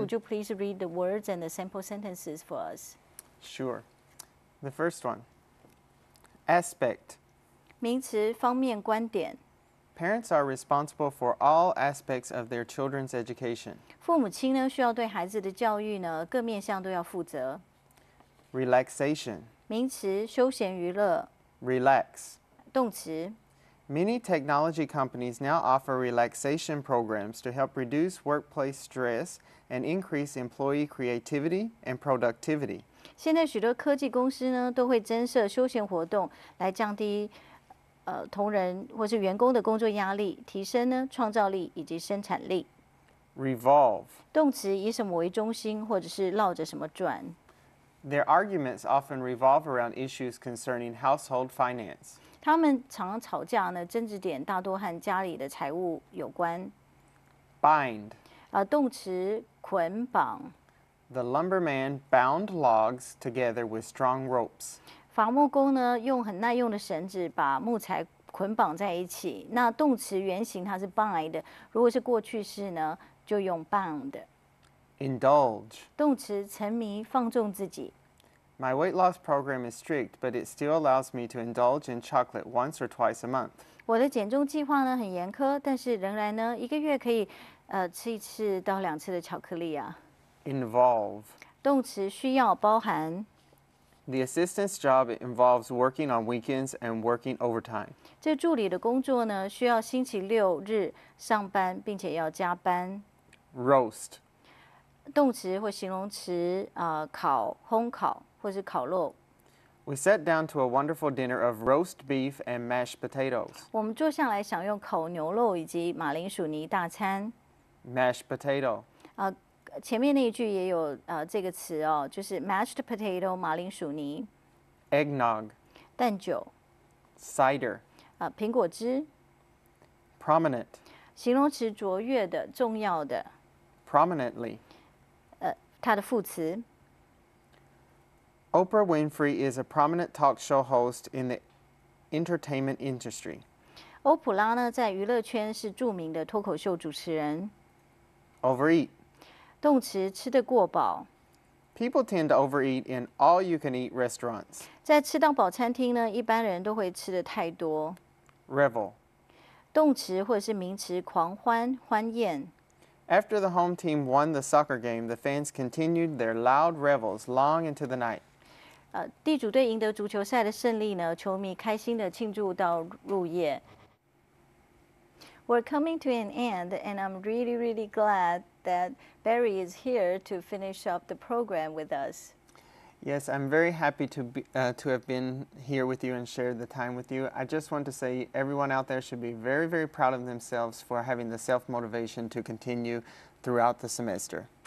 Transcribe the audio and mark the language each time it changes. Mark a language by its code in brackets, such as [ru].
[en] would you please read the words and the sample sentences for us? Sure. The first one. Aspect. [zh] 名词方面观点 [en] Parents are responsible for all aspects of their children's education. [zh] 父母亲呢需要对孩子的教育呢各面向都要负责 [en] Relaxation [zh] 名词休闲娱乐 [en] Relax [zh] 动词 [en] Many technology companies now offer relaxation programs to help reduce workplace stress and increase employee creativity and productivity. [zh] 现在许多科技公司呢都会增设休闲活动来降低同仁或是员工的工作压力，提升呢创造力以及生产力。 [en] Revolve [zh] 动词以什么为中心，或者是绕着什么转。 [en] Their arguments often revolve around issues concerning household finance. [zh] 他们常吵架呢，争执点大多和家里的财务有关。 [en] Bind [zh] 动词捆绑。 [en] The lumberman bound logs together with strong ropes. [zh] 伐木工呢，用很耐用的绳子把木材捆绑在一起。那动词原形它是 bind， 如果是过去式呢，就用 bound。 [en] Indulge [zh] 动词沉迷、放纵自己。 [en] My weight loss program is strict, but it still allows me to indulge in chocolate once or twice a month. [zh] 我的减重计划呢很严苛，但是仍然呢一个月可以吃一次到两次的巧克力啊。 [en] Involve [zh] 动词需要、包含。 [en] The assistant's job involves working on weekends and working overtime. [zh] 这助理的工作呢，需要星期六日上班，并且要加班。 [en] Roast. [zh] 动词或形容词，烤、烘烤或是烤肉。 [en] We sat down to a wonderful dinner of roast beef and mashed potatoes. [zh] 我们坐下来享用烤牛肉以及马铃薯泥大餐。 [en] Mashed potato. [zh] 前面那一句也有这个词哦，就是 mashed potato 马铃薯泥 [en] ，eggnog [zh] 蛋酒 [en] ，cider [zh] 苹果汁 [en] ，prominent [zh] 形容词卓越的、重要的 [en] ，prominently [zh] 它的副词。 [en] Oprah Winfrey is a prominent talk show host in the entertainment industry. [zh] 欧普拉呢，在娱乐圈是著名的脱口秀主持人。 [en] Overeat. [zh] 动词吃得过饱。 [en] People tend to overeat in all-you-can-eat restaurants. [zh] 在吃到饱餐厅呢，一般人都会吃得太多。 [en] Revel. [zh] 动词或者是名词，狂欢、欢宴。 [en] After the home team won the soccer game, the fans continued their loud revels long into the night. [zh] 地主队赢得足球赛的胜利呢，球迷开心地庆祝到入夜。 [en] We're coming to an end, and I'm really, really glad that Barry is here to finish up the program with us. Yes, I'm very happy to have been here with you and shared the time with you. I just want to say everyone out there should be very, very proud of themselves for having the self-motivation to continue throughout the semester.